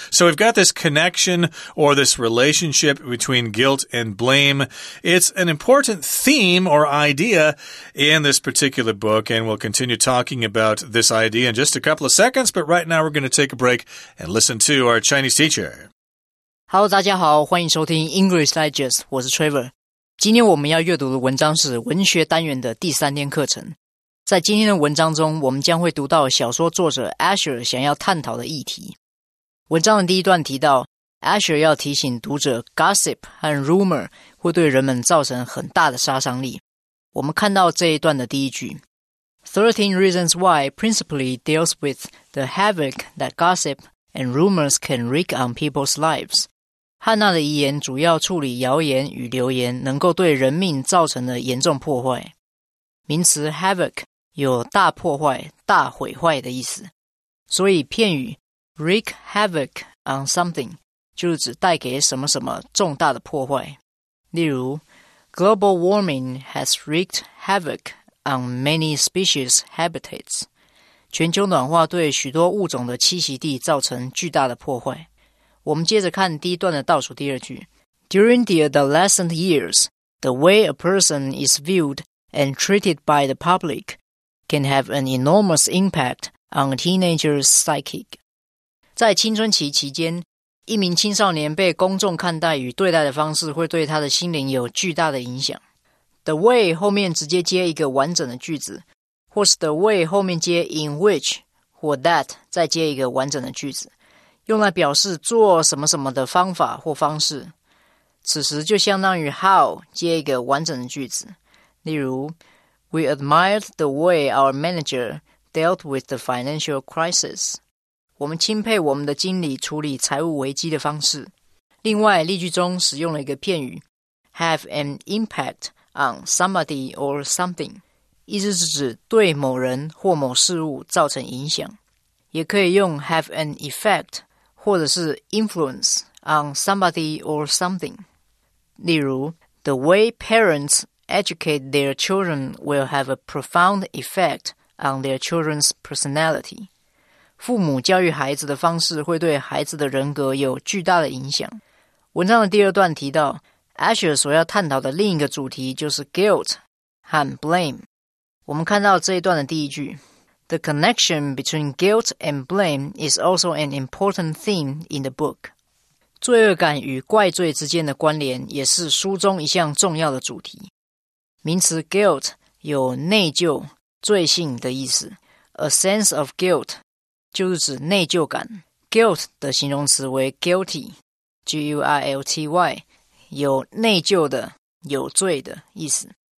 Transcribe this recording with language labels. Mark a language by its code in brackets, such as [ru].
[en] So we've got this connection or this relationship between guilt and blame. It's an important theme or idea in this particular book, and we'll continue talking about this idea in just a couple of seconds, but right now we're going to take a break and listen to our Chinese teacher. [zh] Hello, 大家好，欢迎收听 English Digest, 我是 Trevor。今天我们要阅读的文章是文学单元的第三天课程。在今天的文章中，我们将会读到小说作者 Asher 想要探讨的议题。文章的第一段提到Asher 要提醒读者 gossip 和 rumor 会对人们造成很大的杀伤力。我们看到这一段的第一句 [en] 13 Reasons Why Principally Deals with the Havoc that Gossip and Rumors Can Wreak on People's Lives。 [zh] 汉娜的遗言主要处理谣言与流言能够对人命造成的严重破坏。名词 havoc 有大破坏、大毁坏的意思，所以片语 wreak havoc on something就是指带给什么什么重大的破坏。例如 [en] Global warming has wreaked havoc on many species habitats. [zh] 全球暖化对许多物种的栖息地造成巨大的破坏。我们接着看第一段的倒数第二句。 [en] During the adolescent years, the way a person is viewed and treated by the public can have an enormous impact on a teenager's psyche. [zh] 在青春期期间，一名青少年被公众看待与对待的方式会对他的心灵有巨大的影响。 The way 后面直接接一个完整的句子，或是 the way 后面接 in which 或 that 再接一个完整的句子，用来表示做什么什么的方法或方式。此时就相当于 how 接一个完整的句子。例如 [en] We admired the way our manager dealt with the financial crisis. [zh] 我们钦佩我们的经理处理财务危机的方式。另外，例句中使用了一个片语 [en] have an impact on somebody or something， [zh] 意思是指对某人或某事物造成影响。也可以用 have an effect 或者是 influence on somebody or something。例如 [en] ，the way parents educate their children will have a profound effect on their children's personality。 [zh] 父母教育孩子的方式会对孩子的人格有巨大的影响。文章的第二段提到 Asher 所要探讨的另一个主题就是 guilt 和 blame。我们看到这一段的第一句 [en] The connection between guilt and blame is also an important theme in the book。 [zh] 罪恶感与怪罪之间的关联也是书中一项重要的主题。名词 guilt 有内疚、罪性的意思。 A sense of guilt 就是指内疚感。 Guilt 的形容词为 guilty, G-U-I-L-T-Y, 有内疚的、有罪的意思。